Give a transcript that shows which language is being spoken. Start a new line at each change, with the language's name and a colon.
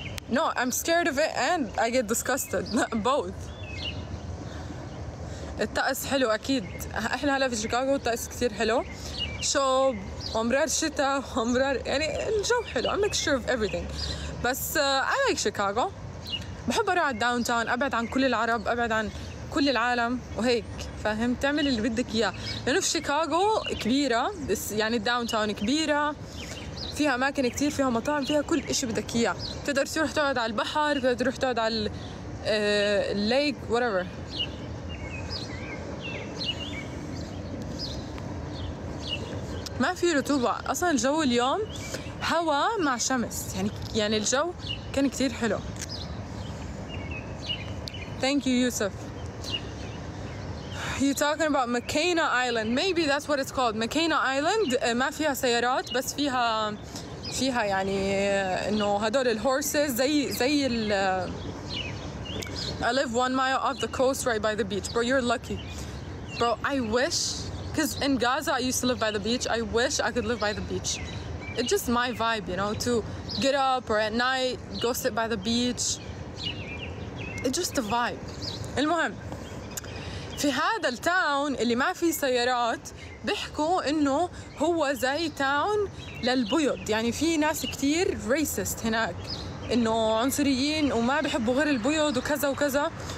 English: No, I'm scared of it and I get disgusted. Both.
Arabic: الطقس حلو أكيد. إحنا هلا في شيكاغو الطقس كتير حلو. شوب ومرار شتاء ومرار يعني الجو حلو.
English: I'm mixture of everything. بس I like Chicago.
Arabic: بحب أروح على الداون تاون، أبعد عن كل العرب، أبعد عن كل العالم وهيك، فهمت؟ تعمل اللي بدك إياه. لأنه في شيكاغو كبيرة، بس يعني الداون تاون كبيرة، فيها أماكن كتير، فيها مطاعم، فيها كل إشي بدك إياه. تقدر تروح تقعد على البحر، تقدر تروح تقعد على الليك، whatever. ما في رطوبة أصلاً. الجو اليوم هوا مع شمس، يعني الجو كان كتير حلو.
English: Thank you, Yusuf. You're talking about Makena Island. Maybe that's what it's called. Makena Island.
Arabic: ما فيها سيارات بس فيها يعني إنه هدول الهورسز زي ال.
English: I live 1 mile off the coast, right by the beach. Bro, you're lucky. Bro, I wish, cause in Gaza I used to live by the beach. I wish I could live by the beach. It's just my vibe, you know, to get up or at night go sit by the beach. It's just the vibe.
Arabic: المهم في هذا التاون اللي ما فيه سيارات بيحكوا انه هو زي تاون للبيض، يعني في ناس كتير racist هناك انه عنصريين وما بيحبوا غير البيض وكذا وكذا.